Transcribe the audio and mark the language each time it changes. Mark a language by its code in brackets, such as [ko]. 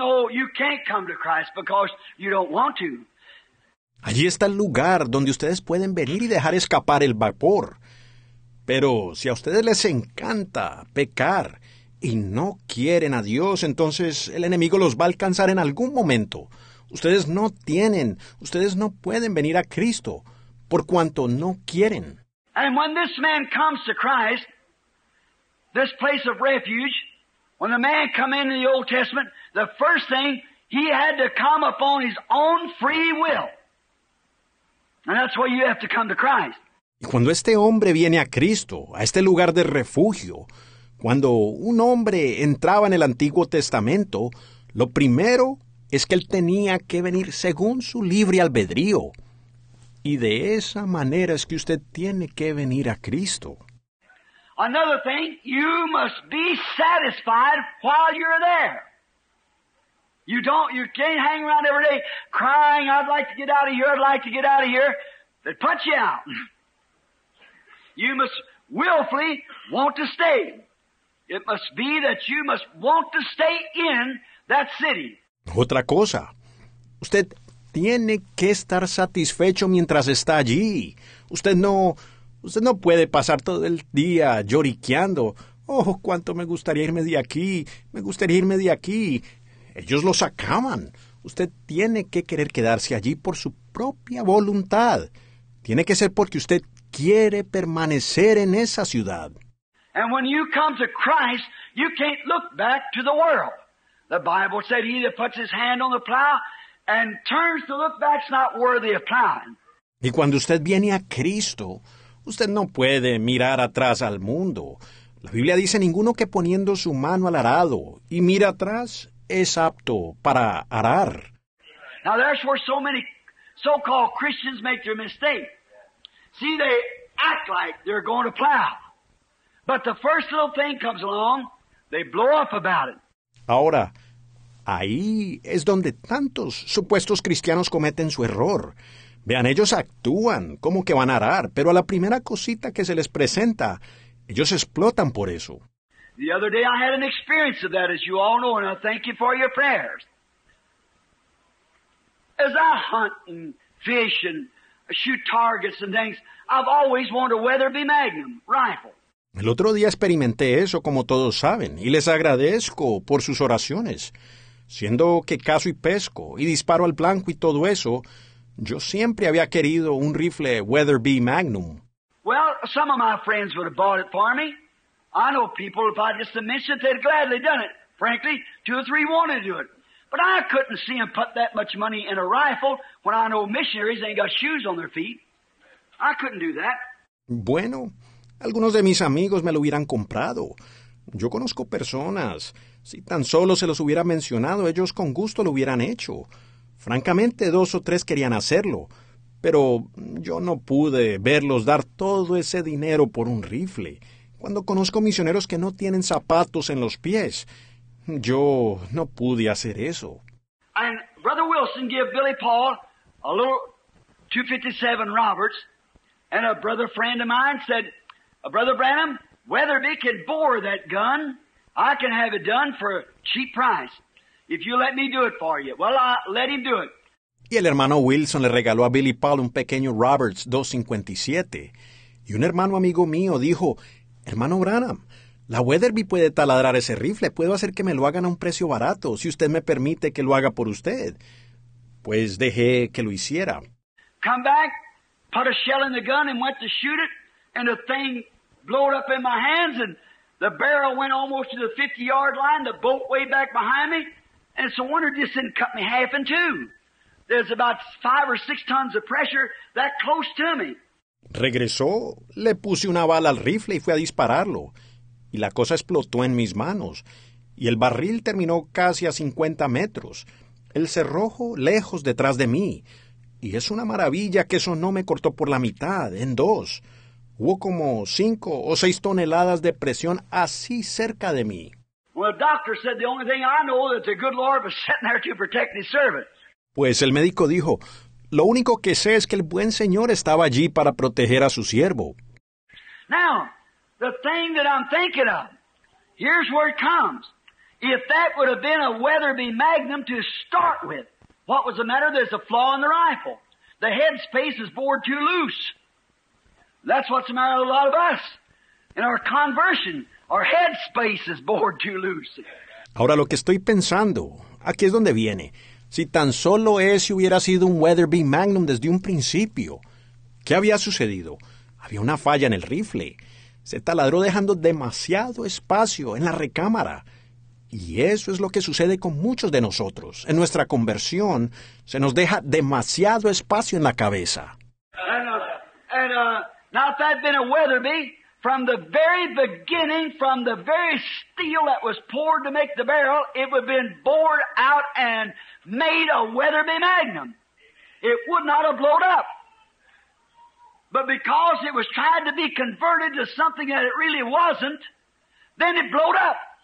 [en] You can't come to Christ because you don't want to. [es] Allí está el lugar donde ustedes pueden venir y dejar escapar el vapor. Pero si a ustedes les encanta pecar y no quieren a Dios, entonces el enemigo los va a alcanzar en algún momento. Ustedes no pueden venir a Cristo por cuanto no quieren. [en] And when this man comes to Christ, this place of refuge, when the man come into the Old Testament, the first thing, he had to come upon his own free will. And that's why you have to come to Christ. [es] Y cuando este hombre viene a Cristo, a este lugar de refugio, cuando un hombre entraba en el Antiguo Testamento, lo primero es que él tenía que venir según su libre albedrío. Y de esa manera es que usted tiene que venir a Cristo. [en] Another thing, you must be satisfied while you're there. You can't hang around every day crying, I'd like to get out of here, I'd like to get out of here. They'd punch you out. You must willfully want to stay. It must be that you must want to stay in that city. [es] Otra cosa, usted tiene que estar satisfecho mientras está allí. Usted no puede pasar todo el día lloriqueando. Oh, cuánto me gustaría irme de aquí. Me gustaría irme de aquí. Ellos lo sacaban. Usted tiene que querer quedarse allí por su propia voluntad. Tiene que ser porque usted quiere permanecer en esa ciudad. [en] And when you come to Christ, you can't look back to the world. The Bible said he that puts his hand on the plow and turns to look back is not worthy of plowing. [es] Y cuando usted viene a Cristo, usted no puede mirar atrás al mundo. La Biblia dice, ninguno que poniendo su mano al arado y mira atrás es apto para arar. [en] Now there's where so many so-called Christians make their mistake. See, they act like they're going to plow. But the first little thing comes along, they blow up about it. [es] Ahora, ahí es donde tantos supuestos cristianos cometen su error. Vean, ellos actúan como que van a arar, pero a la primera cosita que se les presenta, ellos explotan por eso. [en] The other day I had an experience of that, as you all know, and I thank you for your prayers. As I hunt and fish and shoot targets and things, I've always wanted a Weatherby Magnum rifle. [es] El otro día experimenté eso, como todos saben, y les agradezco por sus oraciones. Siendo que cazo y pesco, y disparo al blanco y todo eso, yo siempre había querido un rifle Weatherby Magnum. [en] Well, some of my friends would have bought it for me. I know people, if I just mentioned it, they'd gladly done it. Frankly, two or three wanted to do it. But I couldn't see them put that much money in a rifle when I know missionaries ain't got shoes on their feet. I couldn't do that. [es] Bueno, algunos de mis amigos me lo hubieran comprado. Yo conozco personas. Si tan solo se los hubiera mencionado, ellos con gusto lo hubieran hecho. Francamente, dos o tres querían hacerlo. Pero yo no pude verlos dar todo ese dinero por un rifle. Cuando conozco misioneros que no tienen zapatos en los pies, yo no pude hacer eso. [en] And Brother Wilson gave Billy Paul a little 257 Roberts, and a brother friend of mine said, Brother Branham, Weatherby can bore that gun. I can have it done for a cheap price if you let me do it for you. Well, I let him do it. [es] Y el hermano Wilson le regaló a Billy Paul un pequeño Roberts 257. Y un hermano amigo mío dijo, hermano Branham, la Weatherby puede taladrar ese rifle. Puedo hacer que me lo hagan a un precio barato, si usted me permite que lo haga por usted. Pues dejé que lo hiciera. [en] Come back, put a shell in the gun and went to shoot it, and the thing blew up in my hands, and the barrel went almost to the 50-yard line, the bolt way back behind me, and it's a wonder it just didn't cut me half in two. There's about 5 or 6 tons of pressure that close to me. [es] Regresó, le puse una bala al rifle y fui a dispararlo. Y la cosa explotó en mis manos. Y el barril terminó casi a 50 metros. El cerrojo lejos detrás de mí. Y es una maravilla que eso no me cortó por la mitad, en dos. Hubo como 5 o 6 toneladas de presión así cerca de mí. [en] Well, the doctor said the only thing I know that the good Lord was sitting there to protect his servant. [es] Pues el médico dijo, lo único que sé es que el buen Señor estaba allí para proteger a su siervo. [en] Now, the thing that I'm thinking of, here's where it comes. If that would have been a Weatherby Magnum to start with, what was the matter? There's a flaw in the rifle. The headspace is bored too loose. That's what's the matter with a lot of us. In our conversion, our headspace is bored too loose. [es] Ahora lo que estoy pensando, aquí es donde viene. Si tan solo ese hubiera sido un Weatherby Magnum desde un principio, ¿qué había sucedido? Había una falla en el rifle. Se taladró dejando demasiado espacio en la recámara. Y eso es lo que sucede con muchos de nosotros. En nuestra conversión, se nos deja demasiado espacio en la cabeza. [en] Now, if that had been a Weatherby, from the very beginning, from the very steel that was poured to make the barrel, it would have been bored out and made a Weatherby Magnum. It would not have blown up. But because it was tried to be converted to something that it really wasn't, then it blowed up.